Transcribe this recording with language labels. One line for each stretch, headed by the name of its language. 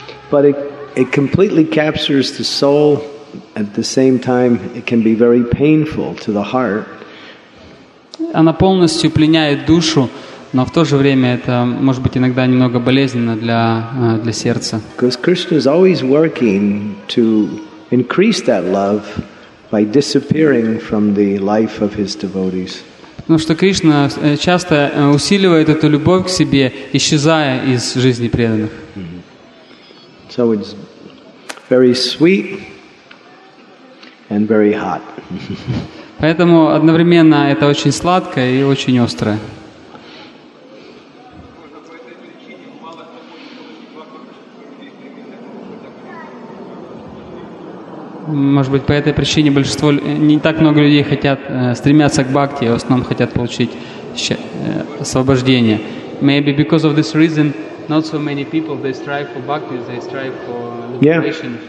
English: But it completely captures the soul. At the same time, it can be very painful to the heart.
Russian: Она полностью пленяет душу, но в то же время это может быть иногда немного болезненно для сердца.
English: Because Krishna is always working to increase that love by disappearing from the life of his devotees.
Russian: Потому что Кришна часто усиливает эту любовь к себе, исчезая из жизни преданных.
English: So it's very sweet and very hot.
Russian: Поэтому одновременно это очень сладкое и очень острое. Может быть, по этой причине большинство не так много людей хотят стремятся к бхакти, в основном хотят получить освобождение.
English: Maybe because of this reason, not so many people they strive for bhakti, they strive for liberation.